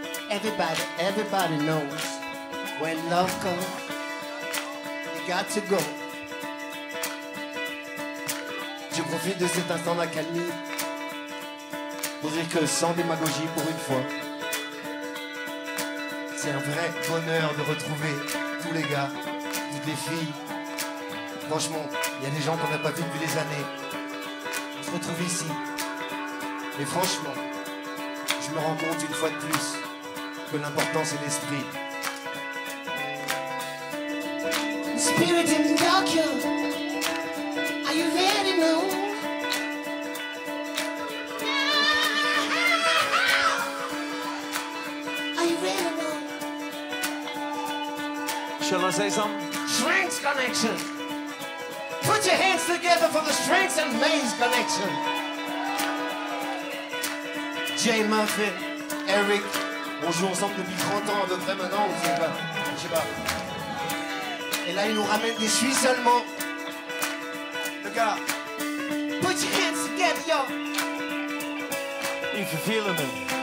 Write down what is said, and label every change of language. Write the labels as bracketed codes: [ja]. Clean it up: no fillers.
[en] Everybody, everybody knows when love comes, you got to go. [fr] Je profite de cet instant d'accalmie pour dire que sans démagogie, pour une fois, c'est un vrai bonheur de retrouver tous les gars, toutes les filles. Franchement, il y a des gens qu'on n'a pas vu depuis des années. On se retrouve ici. Et franchement, je me rends compte une fois de plus que l'important c'est l'esprit. [en] Spirit in Tokyo, are you ready now? Are you ready now? Shall I say something? Strength connection! Put your hands together for the strength and maze connection. Jay Murphy, Eric, [fr] on joue ensemble depuis 30 ans à peu près maintenant, ou je sais pas. Et là, il nous ramène des Suisses seulement. Le gars. [en] Put your hands together, yo. If you feel it, man.